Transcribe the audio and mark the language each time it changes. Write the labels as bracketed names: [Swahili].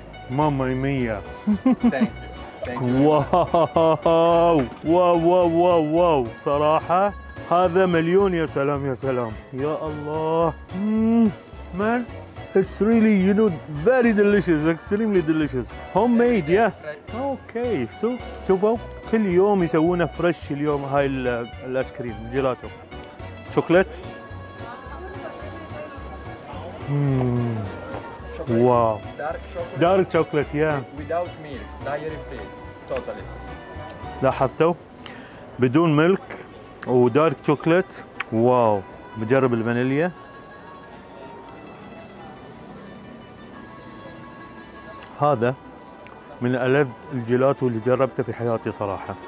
[Arabic] ماما مية. واو واو واو واو، صراحة هذا مليون. يا سلام يا سلام يا الله. [English] Man, it's really, you know, very delicious, extremely delicious. Homemade, yeah. Okay, so [Arabic] شوفوا كل يوم يسوونه فريش. اليوم هاي الايس كريم جيلاتو شوكليت. واو. [English] Dark chocolate, yeah. Without milk, dairy-free, totally. [Arabic] لاحظتوا؟ بدون ملك ودارك شوكليت. واو. بجرب الفانيليا. هذا من ألذ الجيلاتو اللي جربته في حياتي صراحة.